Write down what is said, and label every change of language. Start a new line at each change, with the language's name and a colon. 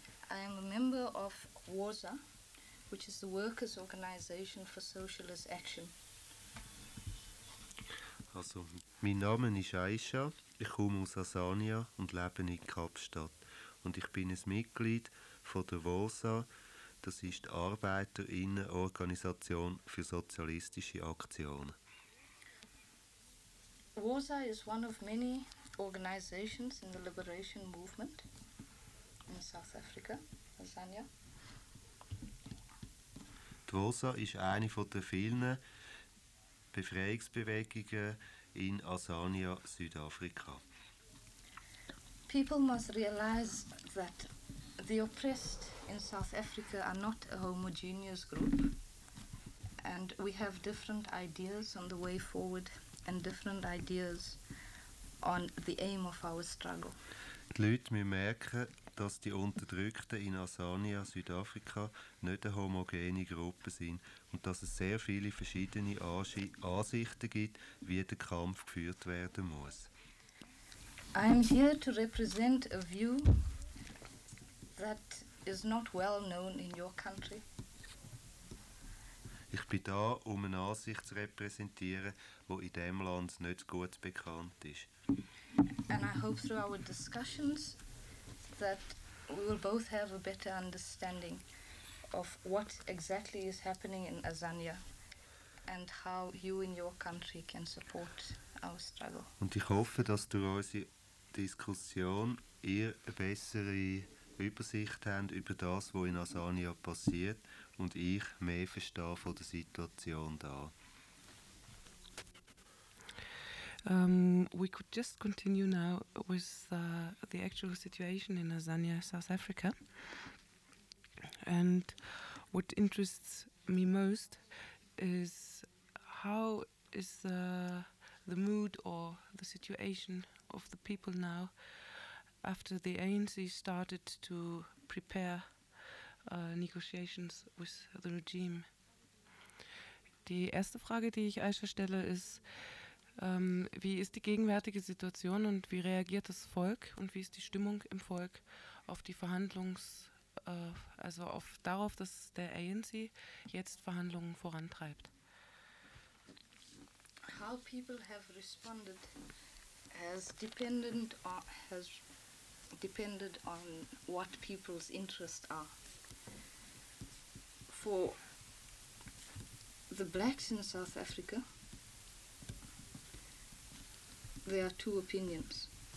English: I am a member of WOSA, which is the Workers' Organization for Socialist Action.
German: Also, mein Name ist Aisha. Ich komme aus Azania und lebe in Kapstadt. Und ich bin ein Mitglied von der WOSA, das ist die ArbeiterInnenorganisation für sozialistische Aktionen.
English: WOSA is one of many organizations in the liberation movement in South Africa, Azania.
German: Die WOSA ist eine der vielen Befreiungsbewegungen in Azania, Südafrika.
English: People must realize that the oppressed in South Africa are not a homogeneous group, and we have different ideas on the way forward and different ideas on the aim of our struggle.
German: Die Leute müssen merken, dass die Unterdrückten in Asania, Südafrika, nicht eine homogene Gruppe sind und dass es sehr viele verschiedene Ansichten gibt, wie der Kampf geführt werden muss.
English: I am here to represent a view that is not well known in your country.
German: Ich bin da, um eine Ansicht zu repräsentieren, wo in dem Land nicht gut bekannt ist.
English: And I hope through our discussions that we will both have a better understanding of what exactly is happening in Azania and how you in your country can support our struggle.
German: Und ich hoffe, dass du unsere Diskussion, ihr eine bessere Übersicht habt über das, was in Asania passiert und ich mehr verstehe von der Situation da.
English: We could just continue now with the actual situation in Asania, South Africa. And what interests me most is how is the mood or the situation of the people now, after the ANC started to prepare negotiations with the regime.
German: Die erste Frage, die ich Aisha stelle, ist, wie ist die gegenwärtige Situation und wie reagiert das Volk und wie ist die Stimmung im Volk auf die Verhandlungs, also auf darauf, dass der ANC jetzt Verhandlungen vorantreibt?
English: How people have responded has dependent on, has depended on what people's interests are. For the blacks in South Africa, there are two opinions.